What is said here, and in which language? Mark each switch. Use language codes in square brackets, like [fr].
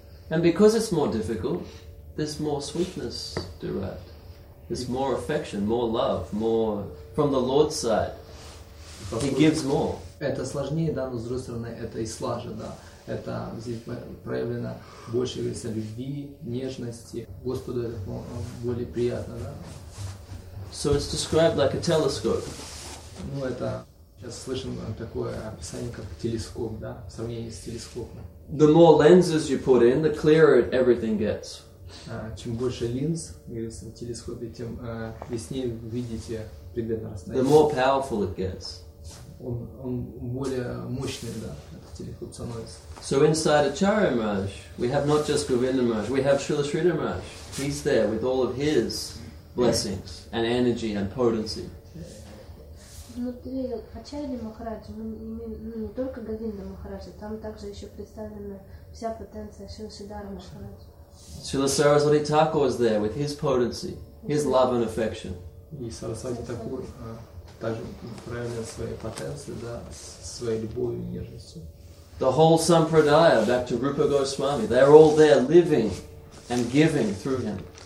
[en] And because it's more difficult, there's more sweetness derived. There's more affection, more love, more from the Lord's side. He gives more. [ru] Это сложнее, да, но с другой стороны, это и слаже, да. Это здесь проявлено больше веса любви, нежности. Господу это более приятно, да. [en] So it's described like a telescope. [ru] Ну, это. Сейчас слышим такое описание, как телескоп, да, в сравнении с телескопом. [en] The more lenses you put in, the clearer everything gets. [ru] Чем больше линз, говорится, в телескопе, тем яснее видите предметное расстояние. [en] The more powerful it gets. [ru] Он более мощный, да, этот телескоп становится. [en] So inside Acharya Maharaj, we have not just Govinda Maharaj, we have Srila Sridhar Maharaj. He's there with all of his blessings and energy and potency. [ru] Внутри Ачарьи Махараджа, ну не только Говинда Махараджа, там также еще представлена вся потенция Шрила Сридхара Махараджа. [en] Шрила Сарасвати Тхакур was there with his potency, his love and affection. [ru] И Сарасвати Тхакур также проявлял свои потенции, да, своей любовью и нежностью. [en] The whole Sampradaya, back to Rupa Goswami, they're all there living and giving through him.